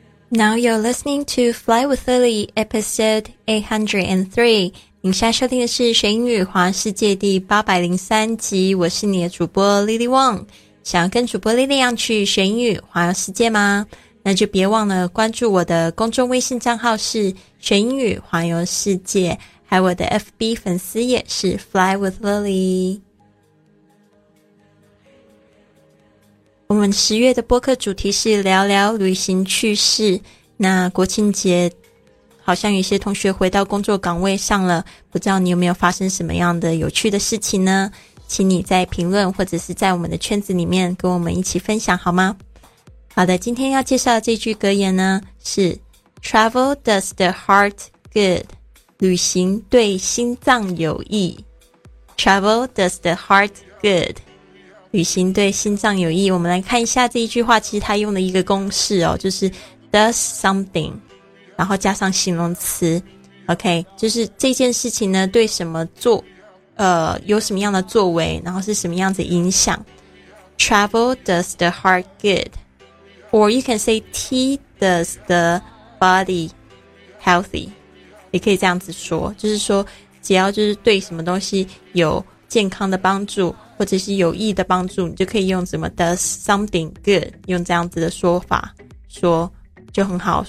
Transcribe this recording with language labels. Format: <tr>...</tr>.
<en>Now you're listening to Fly with Lily, episode 803.</en> <zh>您现在收听的是学英语环游世界第803集，我是你的主播 Lily Wong。想要跟主播 Lily 一样去学英语环游世界吗？那就别忘了关注我的公众微信账号是学英语环游世界，还有我的 FB 粉丝也是 Fly with Lily。我们十月的播客主题是聊聊旅行趣事。那国庆节好像有些同学回到工作岗位上了，不知道你有没有发生什么样的有趣的事情呢？请你在评论或者是在我们的圈子里面跟我们一起分享好吗？好的，今天要介绍的这句格言呢是</zh> <en>Travel does the heart good，</en> <zh>旅行对心脏有益。</zh> <en>Travel does the heart good，</en> <zh>旅行对心脏有益。我们来看一下这一句话，其实它用了一个公式哦，就是 does something 然后加上形容词， OK， 就是这件事情呢对什么做有什么样的作为，然后是什么样子影响。</zh> <en>Travel does the heart good， or you can say tea does the body healthy，</en> <zh>也可以这样子说，就是说只要就是对什么东西有健康的帮助或者是有益的帮助，你就可以用什么</zh> <en>does something good，</en> <zh>用这样子的说法说就很好。</zh>